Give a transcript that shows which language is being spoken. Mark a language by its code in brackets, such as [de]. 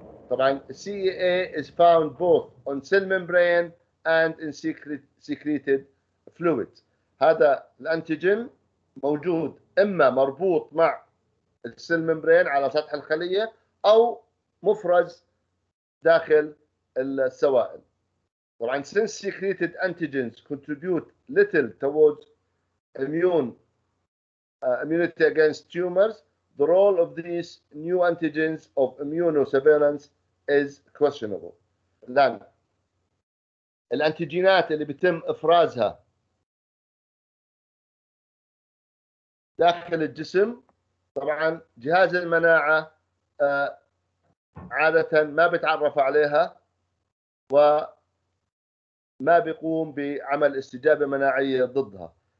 [ar] طبعاً [en] CEA is found both on cell membrane and in secreted fluids. [ar] هذا الأنتيجين موجود إما مربوط مع السيل ممبرين على سطح الخلية أو مفرز داخل السوائل. طبعاً [en] since secreted antigens contribute little towards immunity against tumors, the role of these new antigens of immunosurveillance is questionable. [ar] لأن الأنتيجينات اللي بتم إفرازها داخل الجسم، طبعاً جهاز المناعة عادة ما بتعرف عليها وما بيقوم بعمل استجابة مناعية ضدها.